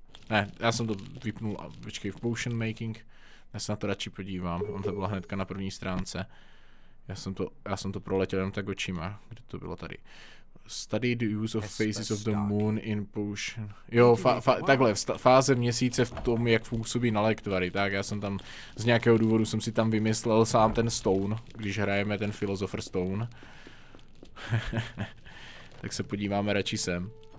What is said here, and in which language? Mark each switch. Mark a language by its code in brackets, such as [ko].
[cs] Ne, já jsem to vypnul. Počkej, v [en] potion making. [cs] Já se na to radši podívám. On to byla hnedka na první stránce. Já jsem to proletěl jen tak očima. Kde to bylo tady? [en] Study the use of phases of the moon in potion. [cs] Jo, takhle, fáze měsíce v tom, jak působí na lektvary, tak já jsem tam, z nějakého důvodu jsem si tam vymyslel sám ten stone, když hrajeme ten Philosopher's Stone. Tak se podíváme radši sem.